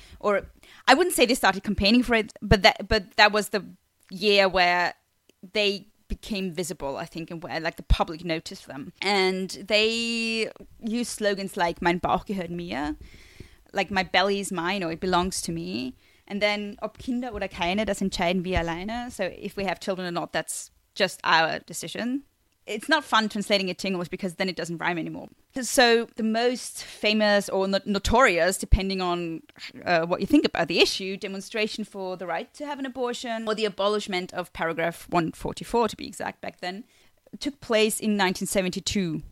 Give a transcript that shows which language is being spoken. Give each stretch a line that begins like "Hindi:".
English: Or I wouldn't say they started campaigning for it, but that was the year where they became visible, I think, and where like the public noticed them. And they used slogans like
German: "Mein Bauch gehört mir,"
English: like "My belly is mine," or "It belongs to me." And then
German: "Ob Kinder oder keine, das entscheiden wir alleine."
English: So if we have children or not, that's just our decision. It's not fun translating it to English because then it doesn't rhyme anymore. So the most famous or notorious, depending on what you think about the issue, demonstration for the right to have an abortion or the abolishment of paragraph 144, to be exact, back then, took place in 1972.